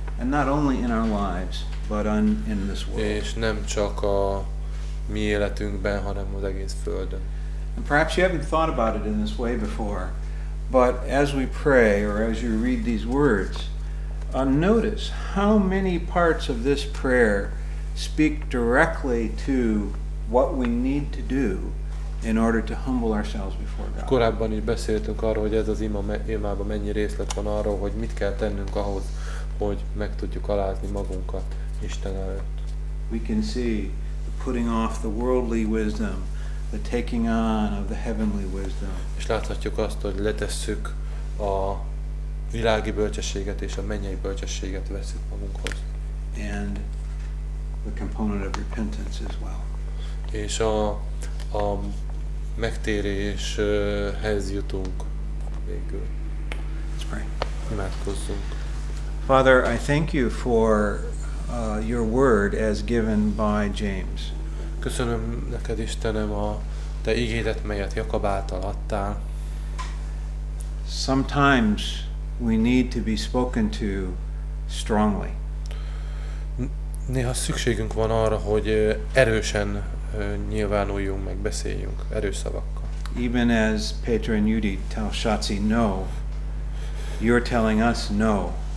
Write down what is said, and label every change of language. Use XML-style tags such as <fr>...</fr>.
<en>And not only in our lives, but in this world.</en> <hu>És nem csak a mi életünkben, hanem az egész Földön.</hu> <en>And perhaps you haven't thought about it in this way before, but as we pray or as you read these words, notice how many parts of this prayer speak directly to what we need to do in order to humble ourselves before God.</en> <hu>Korábban is beszéltünk arról, hogy ez az imában mennyi részlet van arról, hogy mit kell tennünk ahhoz, hogy meg tudjuk alázni magunkat Isten előtt.</hu> <en>We can see the putting off the worldly wisdom, the taking on of the heavenly wisdom.</en> <hu>És láthatjuk azt, hogy letesszük a világi bölcsességet és a mennyei bölcsességet veszünk magunkhoz.</hu> <en>And the component of repentance as well.</en> <hu>És a megtéréshez jutunk végül.</hu> <en>Let's pray.</en> <hu>Imádkozzunk.</hu> <en>Father, I thank you for your word as given by James.</en> <hu>Köszönöm neked, Istenem, a te igédet, melyet Jakab által adtál.</hu> <en>Sometimes we need to be spoken to strongly.</en> <hu>Néha szükségünk van arra, hogy erősen nyilvánuljunk, meg beszéljünk erős szavakkal.</hu> <en>Even as Peter and Judy tell Shatzi no, you're telling us no.</en>